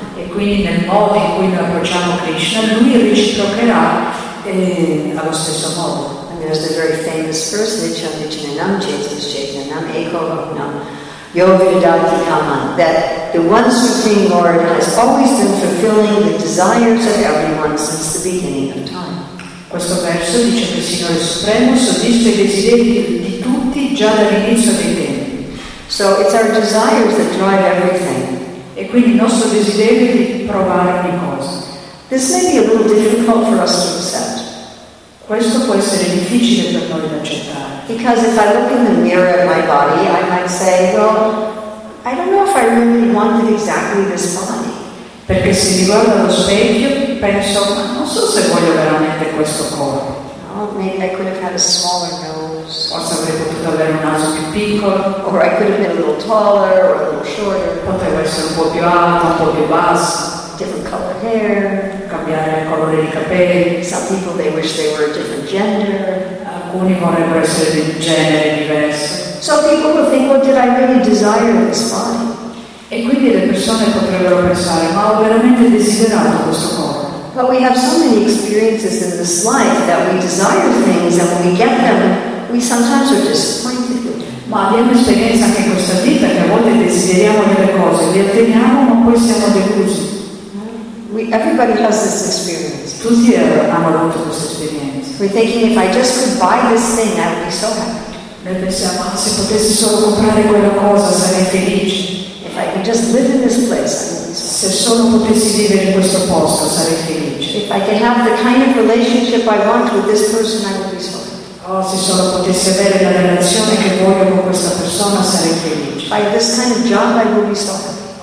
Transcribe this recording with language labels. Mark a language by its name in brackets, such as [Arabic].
[Italian] E quindi nel modo in cui noi approcciamo Krishna, lui reciprocherà allo stesso modo. [English] And there's a very famous verse, [Sanskrit] Nichamichinanam, Jesus Chaitanam, Eko Hoknam, Yogiradati Kaman, [English] that the one Supreme Lord has always been fulfilling the desires of everyone since the beginning of time. [Italian] Questo verso dice che il Signore Supremo soddisfa i desideri di tutti già dall'inizio dei tempi. [English] So it's our desires that drive everything. [Italian] E quindi il nostro desiderio di provare ogni cosa. [English] This may be a little difficult for us to accept. [Italian] Questo può essere difficile per noi da accettare. [English] Because if I look in the mirror at my body, I might say, well, I don't know if I really wanted exactly this body. [Italian] Perché se mi guardo allo specchio, penso, ma non so se voglio veramente questo corpo. [English] Oh, maybe I could have had a smaller nose. [Italian] Forse avrei potuto avere un naso più piccolo. [English] Or I could have been a little taller or a little shorter. [Italian] Potevo essere un po' più alto, un po' più basso. [English] Different color hair. [Italian] Cambiare il colore dei capelli. [English] Some people they wish they were a different gender. [Italian] Alcuni vorrebbero essere di un genere diverso. [English] So people would think, well, did I really desire this body? [Italian] E quindi le persone potrebbero pensare, ma ho veramente desiderato questo corpo? [English] But we have so many experiences in this life that we desire things, and when we get them, we sometimes are disappointed. [Italian] Ma abbiamo esperienza anche in questa vita che a volte desideriamo delle cose, le otteniamo, ma poi siamo delusi. [English] Everybody has this experience. [Italian] Tutti hanno avuto questa esperienza. [English] We're thinking, if I just could buy this thing, I would be so happy. [Italian] Noi pensiamo, se potessi solo comprare quella cosa, sarei felice. [English] If I could just live in this place. [Italian] Se solo potessi vivere in questo posto sarei felice. [English] If I could have the kind of relationship I want with this person, I would be so happy. [Italian] Oh, se solo potessi avere la relazione che voglio con questa persona sarei felice. [English] By this kind of job, I would be so happy.